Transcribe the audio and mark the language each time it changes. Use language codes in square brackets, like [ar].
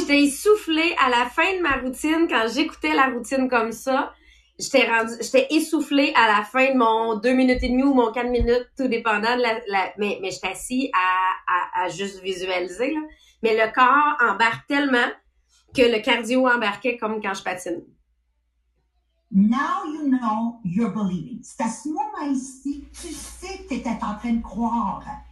[fr] J'étais essoufflée à la fin de ma routine, quand j'écoutais la routine comme ça, j'étais essoufflée à la fin de mon 2 minutes et demie ou mon 4 minutes, tout dépendant de mais j'étais assise à juste visualiser, là. Mais le corps embarque tellement que le cardio embarquait comme quand je patine. [en] Now you know you're believing. [fr] C'est à ce moment ici, tu sais que tu étais en train de croire.